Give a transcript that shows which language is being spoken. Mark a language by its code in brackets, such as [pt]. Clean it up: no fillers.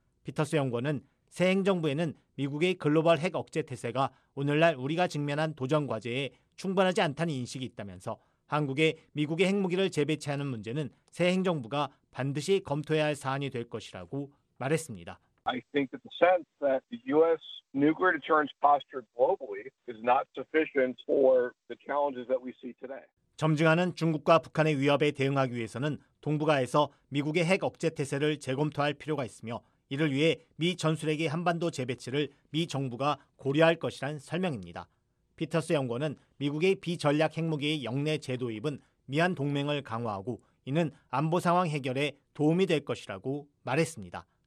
[ko] 피터스 연구원은 새 행정부에는 미국의 글로벌 핵 억제 태세가 오늘날 우리가 직면한 도전 과제에 충분하지 않다는 인식이 있다면서 한국의 미국의 핵무기를 재배치하는 문제는 새 행정부가 반드시 검토해야 할 사안이 될 것이라고 말했습니다. [en] I think that the sense that the U.S. nuclear deterrence posture globally is not sufficient for the challenges that we see today. [ko] 점증하는 중국과 북한의 위협에 대응하기 위해서는 동북아에서 미국의 핵 억제 태세를 재검토할 필요가 있으며 이를 위해 미 전술핵의 한반도 재배치를 미 정부가 고려할 것이란 설명입니다. 피터스 연구원은 미국의 비전략 핵무기의 영내 재도입은 미한 동맹을 강화하고 이는 안보 상황 해결에 도움이 될 것이라고 말했습니다.